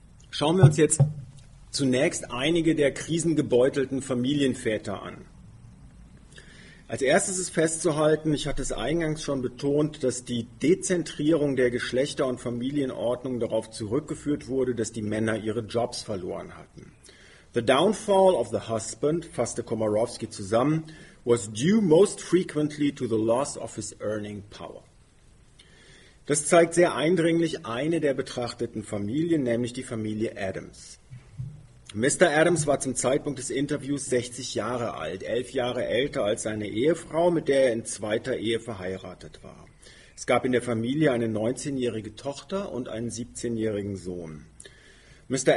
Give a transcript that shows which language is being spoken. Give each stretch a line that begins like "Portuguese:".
German: Schauen wir uns jetzt zunächst einige der krisengebeutelten Familienväter an. Als erstes ist festzuhalten, ich hatte es eingangs schon betont, dass die Dezentrierung der Geschlechter- und Familienordnung darauf zurückgeführt wurde, dass die Männer ihre Jobs verloren hatten.
English: The downfall of the husband,
German: fasste Komarowski zusammen,
English: was due most frequently to the loss of his earning power.
German: Das zeigt sehr eindringlich eine der betrachteten Familien, nämlich die Familie Adams. Mr. Adams war zum Zeitpunkt des Interviews 60 Jahre alt, 11 Jahre älter als seine Ehefrau, mit der er in zweiter Ehe verheiratet war. Es gab in der Familie eine 19-jährige Tochter und einen 17-jährigen Sohn. Mr.